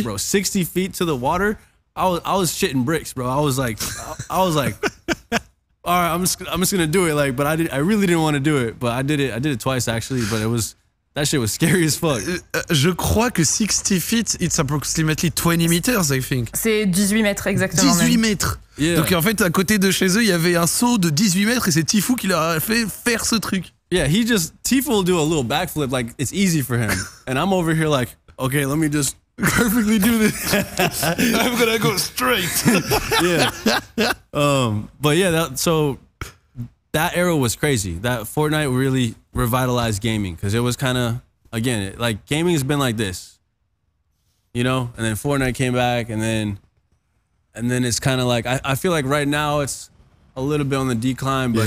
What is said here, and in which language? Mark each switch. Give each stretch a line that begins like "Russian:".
English: Fuck, bro. 60 feet to the water. I was shitting bricks, bro. I was like, all right, I'm just gonna do it. Like, but I really didn't want to do it. But I did it. I did it twice actually. But it was, that shit was scary as fuck.
French: Je crois que
English: 60 feet, it's approximately 20 meters, I think.
French: C'est 18 mètres exactement. 18 même. Mètres.
English: Yeah.
French: Donc en fait, à côté de chez eux, il y avait un saut de 18 mètres et c'est Tfue qui leur a fait faire ce truc.
English: Yeah, he just Tfue will do a little backflip, like it's easy for him. And I'm over here like, okay, let me just perfectly do this. I'm gonna go straight. Yeah. But yeah, that era was crazy. That Fortnite really revitalized gaming because it was kind of, again, like gaming has been like this, you know, and then Fortnite came back and then it's kind of like, I feel like right now it's a little bit on the decline, but